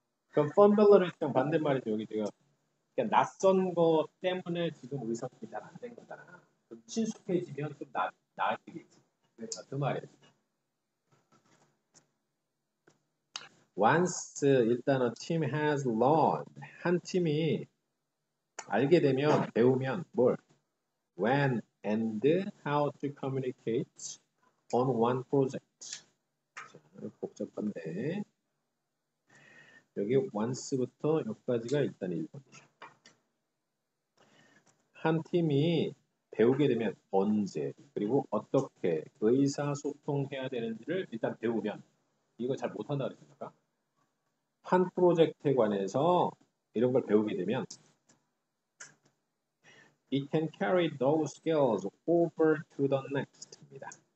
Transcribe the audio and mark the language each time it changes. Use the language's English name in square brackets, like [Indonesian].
[Korean] 그럼 familiarity랑 반대 말이죠 여기 지금. 그러니까 낯선 거 때문에 지금 의사소통이 잘 안 된 거잖아. 그럼 친숙해지면 좀 나아지겠지. 그 말이야. Once 일단은 팀 [English] has learned [Korean] 한 팀이 알게 되면 배우면 뭘? [English] When and how to communicate on one project. [Korean] 복잡한데 여기 once부터 여기까지가 일단 1번이죠. 한 팀이 배우게 되면 언제 그리고 어떻게 의사소통해야 되는지를 일단 배우면 이거 잘 못한다 그랬습니까? 한 프로젝트에 관해서 이런 걸 배우게 되면 [English] It can carry those skills over to the next [Korean] 입니다.